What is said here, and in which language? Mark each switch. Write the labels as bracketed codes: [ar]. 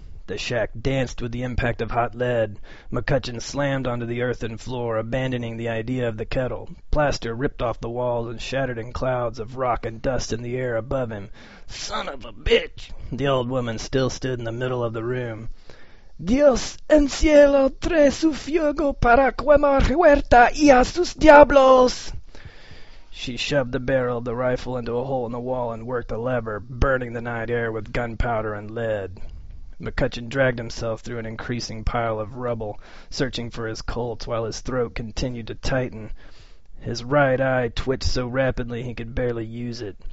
[en] The shack danced with the impact of hot lead. McCutcheon slammed onto the earthen floor, abandoning the idea of the kettle. Plaster ripped off the walls and shattered in clouds of rock and dust in the air above him. Son of a bitch! The old woman still stood in the middle of the room. [es] Dios en cielo trae su fuego para quemar huerta y a sus diablos! [en] She shoved the barrel of the rifle into a hole in the wall and worked a lever, burning the night air with gunpowder and lead. McCutcheon dragged himself through an increasing pile of rubble, searching for his Colts while his throat continued to tighten. His right eye twitched so rapidly he could barely use it.